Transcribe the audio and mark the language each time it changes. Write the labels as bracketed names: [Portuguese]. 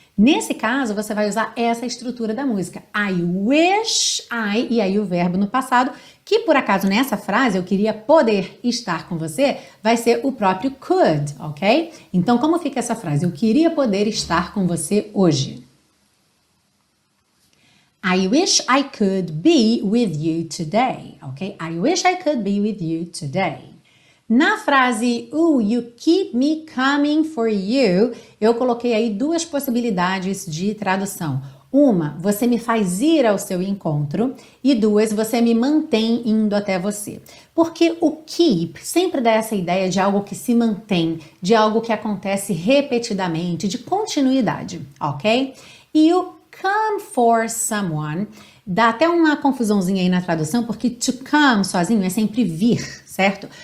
[Portuguese] Nesse caso, você vai usar essa estrutura da música. [English] I wish I, [Portuguese] e aí o verbo no passado, que por acaso nessa frase, eu queria poder estar com você, vai ser o próprio could, ok? Então, como fica essa frase? Eu queria poder estar com você hoje. [English] I wish I could be with you today, ok? I wish I could be with you today. [Portuguese] Na frase, [English] ooh, you keep me coming for you, [Portuguese] eu coloquei aí duas possibilidades de tradução. Uma, você me faz ir ao seu encontro. E duas, você me mantém indo até você. Porque o keep sempre dá essa ideia de algo que se mantém, de algo que acontece repetidamente, de continuidade, ok? E o come for someone, dá até uma confusãozinha aí na tradução, porque to come sozinho é sempre vir, certo?